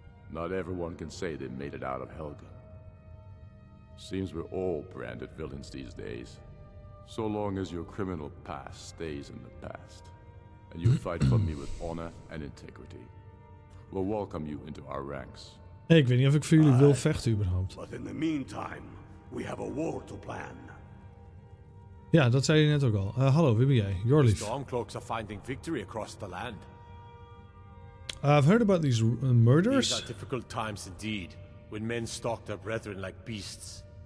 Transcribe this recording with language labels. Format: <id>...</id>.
<en>Not everyone can say they made it out of Helgen. Seems we're all branded villains these days. So long as your criminal past stays in the past, and you fight for me with honor and integrity, we'll welcome you into our ranks.</en> <nl>Hey, ik weet niet of ik voor jullie wil vechten überhaupt.</nl> <en>But in the meantime, we have a war to plan.</en> <nl>Ja, dat zei je net ook al. Hallo, wie ben jij? Yorlif.</nl> <en>Stormcloaks are finding victory across the land. I've heard about these murders. These are difficult times indeed, when men stalk their brethren like beasts.</en>